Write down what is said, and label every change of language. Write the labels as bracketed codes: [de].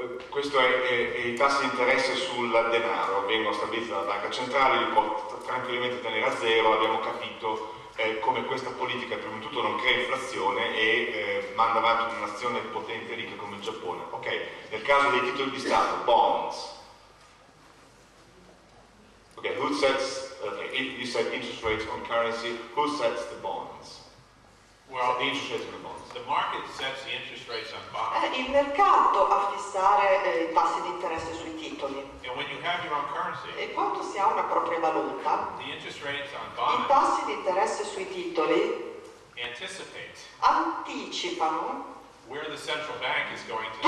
[it] Questo è i tassi di interesse sul denaro, vengono stabiliti dalla banca centrale, li può tranquillamente tenere a zero, abbiamo capito come questa politica prima di tutto non crea inflazione e manda avanti un'azione potente e ricca come il Giappone. Ok, nel caso dei titoli di Stato, bonds. [en] Ok, who sets, you said interest rates on currency, who sets the bonds? Well, the interest rates on the bonds. The market sets the interest rates on bonds. [it] Il mercato a fissare i tassi di interesse sui titoli. [en] And when you have your own currency, [it] e quando si ha una propria valuta, [en] the interest rates on bonds, [it] i tassi di interesse sui titoli [en] anticipate [it] anticipano [en] where the central bank is going to